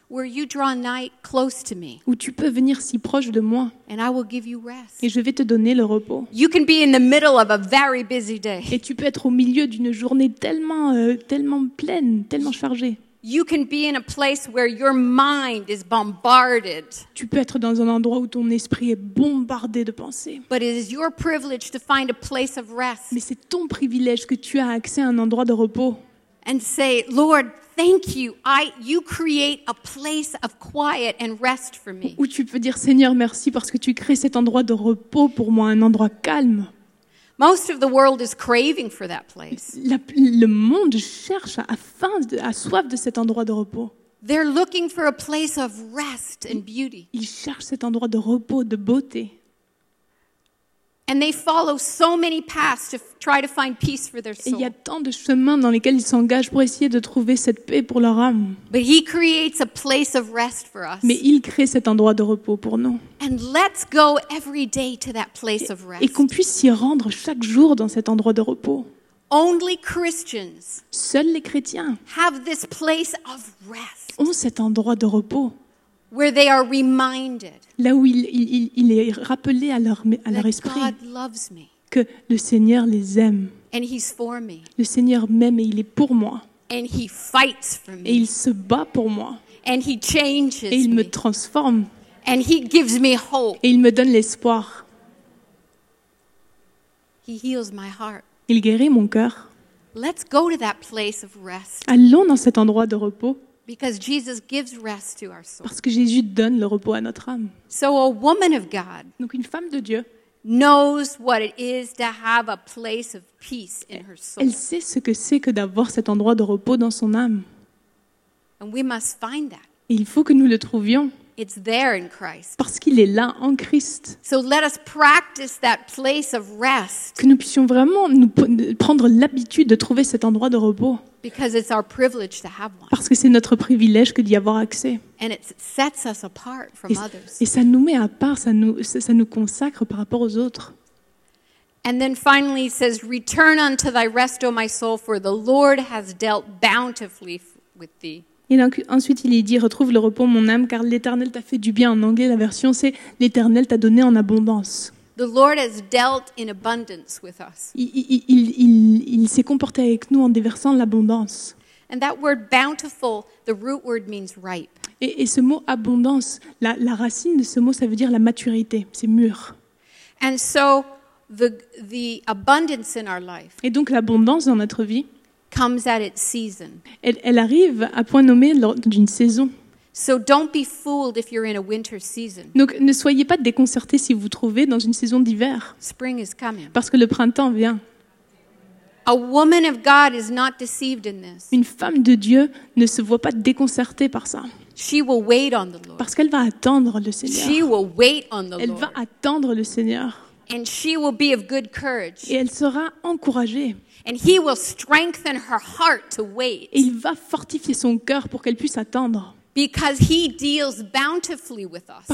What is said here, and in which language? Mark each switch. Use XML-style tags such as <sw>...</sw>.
<en>Where you draw nigh close to me.</en> <fr>Où tu peux venir si proche de moi.</fr> <en>And I will give you rest.</en> <fr>Et je vais te donner le repos.</fr> <en>You can be in the middle of a very busy day.</en> <fr>Et tu peux être au milieu d'une journée tellement tellement pleine, tellement chargée.</fr> <en>You can be in a place where your mind is bombarded.</en> <fr>Tu peux être dans un endroit où ton esprit est bombardé de pensées.</fr> <en>But it is your privilege to find a place of rest.</en> <fr>Mais c'est ton privilège que tu as accès à un endroit de repos.</fr> <en>And say, Lord, thank you. You create a place of quiet and rest for me.</en> <fr>Où tu peux dire Seigneur merci parce que tu crées cet endroit de repos pour moi, un endroit calme.</fr> <en>Most of the world is craving for that place.</en> <fr>Le monde cherche a soif de cet endroit de repos.</fr> <en>They're looking for a place of rest and beauty.</en> <fr>Ils cherchent cet endroit de repos, de beauté.</fr> <en>And they follow so many paths to try to find peace for their soul.</en> <fr>Et il y a tant de chemins dans lesquels ils s'engagent pour essayer de trouver cette paix pour leur âme.</fr> <en>But he creates a place of rest for us.</en> <fr>Mais il crée cet endroit de repos pour nous.</fr> <en>And let's go every day to that place of rest.</en> <fr>Et qu'on puisse s'y rendre chaque jour dans cet endroit de repos.</fr> <en>Only Christians.</en> <fr>Seuls les chrétiens.</fr> <en>Have this place of rest.</en> <fr>Ont cet endroit de repos.</fr> <en>Where they are reminded.</en> <fr>Là où il est rappelé à leur esprit</fr> <en>God loves me.</en> <fr>Que le Seigneur les aime.</fr> <en>And he's for me.</en> <fr>Le Seigneur m'aime et il est pour moi.</fr> <en>And he fights for me.</en> <fr>Et il se bat pour moi.</fr> <en>And he changes</en> <fr>et il me transforme.</fr> <en>And he gives me hope.</en> <fr>Et il me donne l'espoir.</fr> <en>He heals my heart.</en> <fr>Il guérit mon cœur.</fr> <en>Let's go to that place of rest.</en> <fr>Allons dans cet endroit de repos.</fr> <en>Because Jesus gives rest to our soul.</en> <fr>Parce que Jésus donne le repos à notre âme.</fr> <en>So a woman of God.</en> <fr>Donc une femme de Dieu.</fr> <en>Knows what it is to have a place of peace in her soul.</en> <fr>Elle sait ce que c'est que d'avoir cet endroit de repos dans son âme.</fr> <en>And we must find that.</en> <fr>Et il faut que nous le trouvions.</fr> <en>It's there in Christ.</en> <fr>Parce qu'il est là en Christ.</fr> <en>So let us practice that place of rest.</en> <fr>Que nous puissions vraiment nous prendre l'habitude de trouver cet endroit de repos.</fr> <en>Because it's our privilege to have one.</en> <fr>Parce que c'est notre privilège que d'y avoir accès.</fr> <en>And it sets us apart from others.</en> <fr>Et ça nous met à part, ça nous consacre par rapport aux autres.</fr> <en>And then finally it says, "Return unto thy rest, O my soul, for the Lord has dealt bountifully with thee."</en> <fr>Et donc, ensuite, il dit, retrouve le repos, mon âme, car l'Éternel t'a fait du bien. En anglais, la version, c'est l'Éternel t'a donné en abondance.</fr> <en>The Lord has dealt in abundance with us.</en> <fr>Il s'est comporté avec nous en déversant l'abondance.</fr> <en>And that word bountiful, the root word means ripe.</en> <fr>Et ce mot abondance, la racine de ce mot, ça veut dire la maturité, c'est mûr.</fr> <en>And so, the abundance in our life.</en> <fr>Et donc, l'abondance dans notre vie.</fr> <en>Comes at its season.</en> <fr>Elle arrive à point nommé lors d'une saison.</fr> <en>So don't be fooled if you're in a winter season.</en> <fr>Donc ne soyez pas déconcerté si vous trouvez dans une saison d'hiver.</fr> <en>Spring is coming.</en> <fr>Parce que le printemps vient.</fr> <en>A woman of God is not deceived in this.</en> <fr>Une femme de Dieu ne se voit pas déconcertée par ça.</fr> <en>She will wait on the Lord.</en> <fr>Parce qu'elle va attendre le Seigneur.</fr> <en>She will wait on the Lord.</en> <fr>Elle va attendre le Seigneur.</fr> <en>And she will be of good courage.</en> <fr>Et elle sera encouragée.</fr> <en>And he will strengthen her heart to wait.</en> <fr>Et il va fortifier son cœur pour qu'elle puisse attendre.</fr> <en>Because he deals bountifully with us.</en>